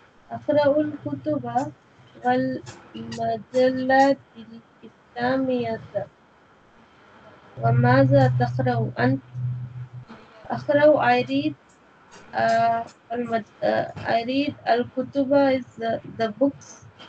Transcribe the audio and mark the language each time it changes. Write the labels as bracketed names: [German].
[Arabic] أقرأ الكتب والمجلات الإسلامية. وماذا تقرأ أنت؟ أقرأ [English] I read. I read [Arabic] al kutuba [English] is the books.